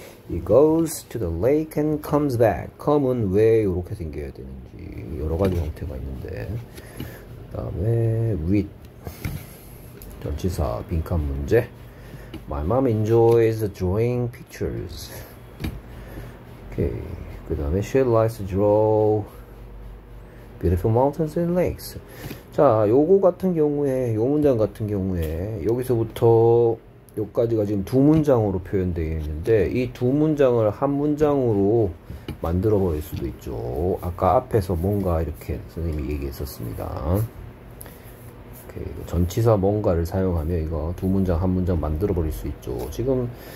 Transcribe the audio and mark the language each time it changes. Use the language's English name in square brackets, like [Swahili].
[English] He goes to the lake and comes back. [Korean] Come은 왜 이렇게 생겨야 되는지 여러 가지 형태가 있는데 그다음에 with 전치사 빈칸 문제. [English] My mom enjoys drawing pictures. 오케이. [Korean] 그다음에 [English] she likes to draw beautiful mountains and lakes. [Korean] 자, 요거 같은 경우에 요 문장 같은 경우에 여기서부터 여기까지가 지금 두 문장으로 표현되어 있는데 이두 문장을 한 문장으로 만들어 버릴 수도 있죠. 아까 앞에서 뭔가 이렇게 선생님이 얘기했었습니다. 오케이. 전치사 뭔가를 사용하면 이거 두 문장 한 문장 만들어 버릴 수 있죠. 지금